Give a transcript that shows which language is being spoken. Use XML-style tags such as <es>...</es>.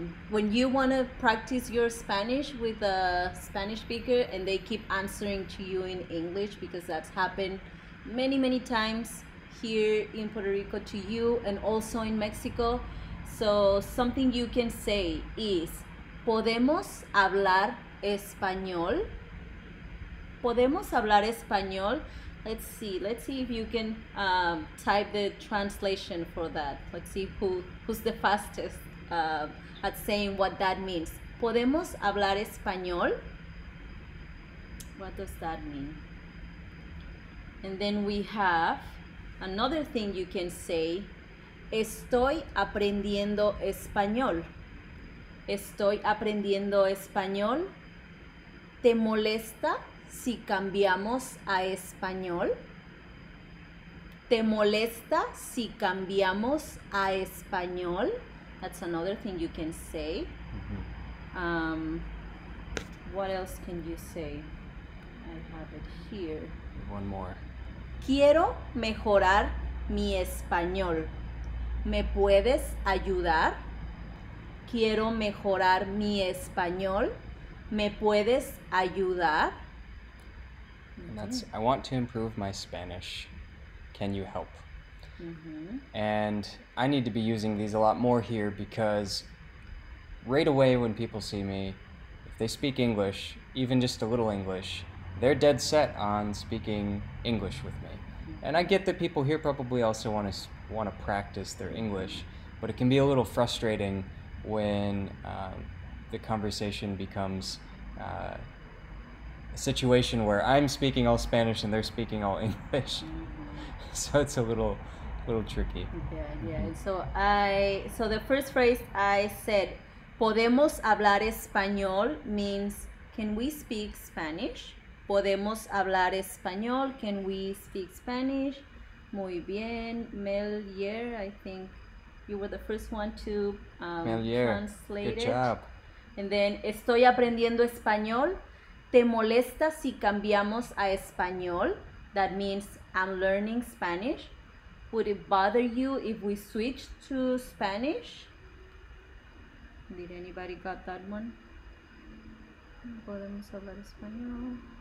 <en>When you want to practice your Spanish with a Spanish speaker and they keep answering to you in English, because that's happened many, many times here in Puerto Rico to you and also in Mexico. So something you can say is,</en> <es>¿podemos hablar español? ¿Podemos hablar español?</es> <en>Let's see if you can type the translation for that. Let's see who's the fastest. At saying what that means.</en> <es>¿Podemos hablar español?</es> <en>What does that mean? And then we have another thing you can say.</en> <es>Estoy aprendiendo español. Estoy aprendiendo español. ¿Te molesta si cambiamos a español? ¿Te molesta si cambiamos a español?</es> <en>That's another thing you can say. Mm-hmm. What else can you say? I have it here. One more.</en> <es>Quiero mejorar mi español. ¿Me puedes ayudar? Quiero mejorar mi español. ¿Me puedes ayudar?</es> <en>And that's, I want to improve my Spanish. Can you help? Mm-hmm. And I need to be using these a lot more here, because right away when people see me, if they speak English, even just a little English, they're dead set on speaking English with me. And I get that people here probably also want to practice their English, but it can be a little frustrating when the conversation becomes a situation where I'm speaking all Spanish and they're speaking all English. So it's a little tricky. Yeah, yeah. So the first phrase I said,</en> <es>podemos hablar español,</es> <en>means can we speak Spanish?</en> <es>Podemos hablar español,</es> <en>can we speak Spanish?</en> <es>Muy bien,</es> <en>Melier, I think you were the first one to translate it. Good job. And then,</en> <es>estoy aprendiendo español. ¿Te molesta si cambiamos a español?</es> <en>That means I'm learning Spanish. Would it bother you if we switch to Spanish? Did anybody got that one?</en> <es>Podemos hablar español.</es>